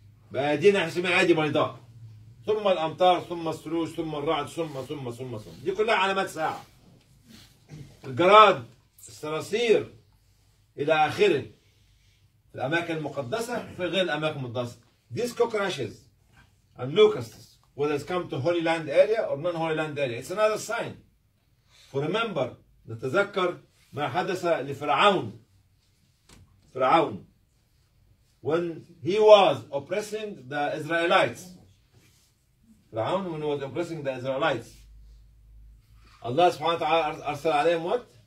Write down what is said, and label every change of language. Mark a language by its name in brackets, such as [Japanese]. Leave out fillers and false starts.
[Arabic] بأيدينا احنا نسميها أيدي بيضاء. ثم الأمطار ثم السروج ثم الرعد ثم ثم ثم ثم. دي كلها علامات ساعة. الجراد, الصراصير إلى آخره. الأماكن المقدسة في غير الأماكن المقدسة. [English] These cockroaches and locusts, whether it's come to Holy Land area or non-Holy Land area, it's another sign. For remember, [Arabic] نتذكر ما حدث لفرعون. [English] فرعون. When he was oppressing the Israelites. فرعون when he was oppressing the Israelites. Allah [Arabic] سبحانه وتعالى [English] أرسل عليهم what?